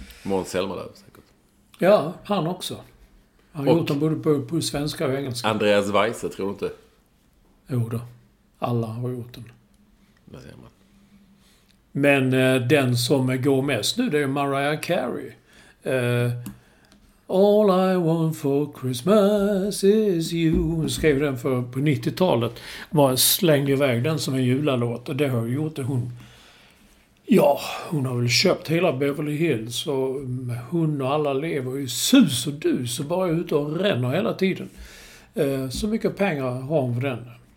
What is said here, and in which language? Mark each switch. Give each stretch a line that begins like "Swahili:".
Swedish: Måns Zelmerlöw säkert. Ja, han också. Han har gjort den både på svenska och engelska. Andreas Weise, tror du inte? Jo då, alla har gjort den. Vad säger man? Men den som går mest nu, det är Mariah Carey.
English: All I want for Christmas is you.
Swedish: Hon skrev den på 90-talet. Var slängde iväg den som en julalåt. Och det har ju gjort det. Hon har väl köpt hela Beverly Hills. Och hon och alla lever ju sus och dus. Och bara ute och ränner hela tiden. Så mycket pengar har hon för den.